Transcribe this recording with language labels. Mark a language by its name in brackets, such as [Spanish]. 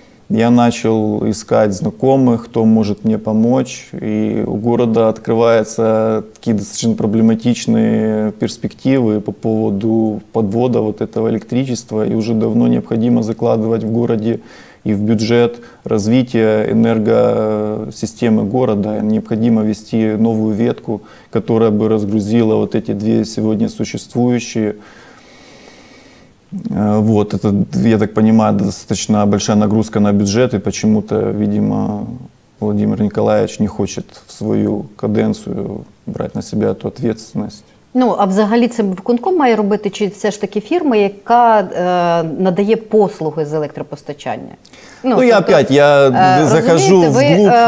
[Russian] я начал искать знакомых, кто может мне помочь, и у города открываются такие достаточно проблематичные перспективы по поводу подвода вот этого электричества, и уже давно необходимо закладывать в городе и в бюджет развитие энергосистемы города, необходимо ввести новую ветку, которая бы разгрузила вот эти две сегодня существующие. Вот, это, я так понимаю, достаточно большая нагрузка на бюджет, и почему-то, видимо, Владимир Николаевич не хочет в свою каденцию брать на себя эту ответственность. [Ukrainian] Ну, а взагалі це виконком має робити, чи все ж таки фірма, яка надає послуги з електропостачання? [Russian] Ну я опять, я захожу в глуб.